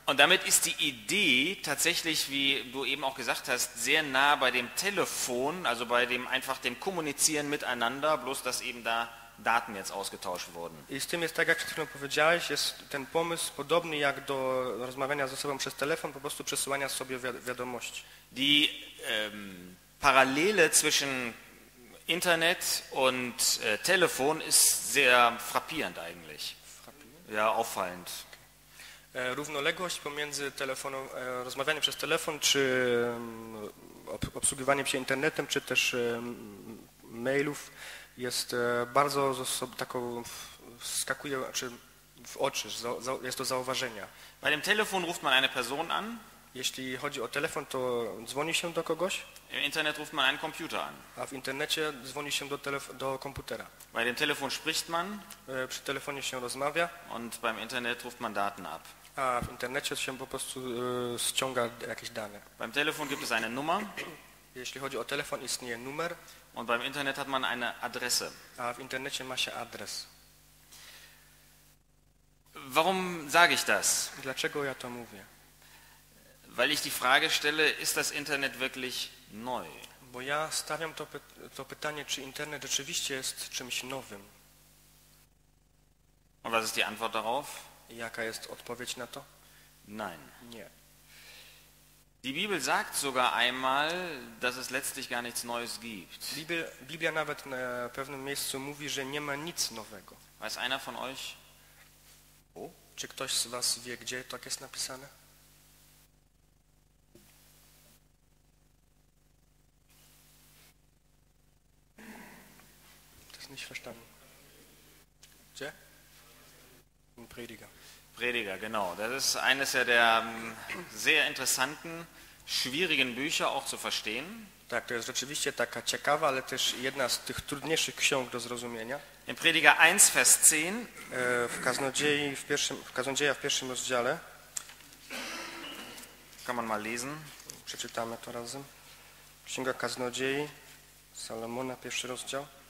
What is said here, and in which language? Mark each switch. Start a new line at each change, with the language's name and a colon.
German: Und damit ist die Idee tatsächlich, wie du eben auch gesagt hast, sehr nah bei dem Telefon, also bei dem einfach dem Kommunizieren miteinander, bloß dass eben da Daten jetzt ausgetauscht wurden.
Polish: I z tym jest tak, jak przed chwilą powiedziałeś, jest ten pomysł podobny jak do rozmawiania ze sobą przez telefon, po prostu przesyłania sobie wiadomości.
German: Die Parallele zwischen Internet und Telefon ist sehr frappierend eigentlich. Ja, auffallend.
Polish: Równoległość pomiędzy telefonem, rozmawianiem przez telefon, czy obsługiwaniem się internetem, czy też mailów jest bardzo taką wskakuje, czy w oczy, jest do zauważenia.
German: Bei dem Telefon ruft man eine Person an.
Polish: Jeśli chodzi o telefon, to dzwoni się do kogoś.
German: Im Internet ruft man einen Computer an.
Polish: A w internecie dzwoni się do komputera.
German: Bei dem Telefon spricht man.
Polish: Przy telefonie się rozmawia.
German: Und beim Internet ruft man Daten ab.
Polish: A w internecie się po prostu ściąga jakieś dane.
German: Beim Telefon gibt es eine Nummer.
Polish: Jeśli chodzi o telefon, istnieje numer.
German: Und beim Internet hat man eine Adresse.
Polish: A w internecie ma się adres.
German: Warum sage ich das?
Polish: Dlaczego ja to mówię?
German: Weil ich die Frage stelle, ist das Internet wirklich neu?
Polish: Bo ja stawiam to pytanie, czy Internet rzeczywiście jest czymś nowym.
German: Und was ist die Antwort darauf?
Polish: Jaka jest odpowiedź na to?
German: Nein.
Polish: Nie.
German: Die Bibel sagt sogar einmal, dass es letztlich gar nichts Neues gibt.
Polish: Biblia nawet na pewnym miejscu mówi, że nie ma nic nowego.
German: Weiß einer von euch? O?
Polish: Czy ktoś z was wie, gdzie tak jest napisane?
German: Nicht verstanden. Tja? Ein Prediger. Prediger, genau. Das ist eines der sehr interessanten, schwierigen Bücher auch zu verstehen.
Polish: Tak, to jest rzeczywiście taka ciekawa, ale też jedna z tych trudniejszych ksiąg do zrozumienia.
German: In Prediger 1, Vers 10.
Polish: W Kaznodzieja w pierwszym rozdziale.
German: Kann man mal lesen.
Polish: Przeczytamy to razem. Księga Kaznodziei, Salomona, pierwszy rozdział.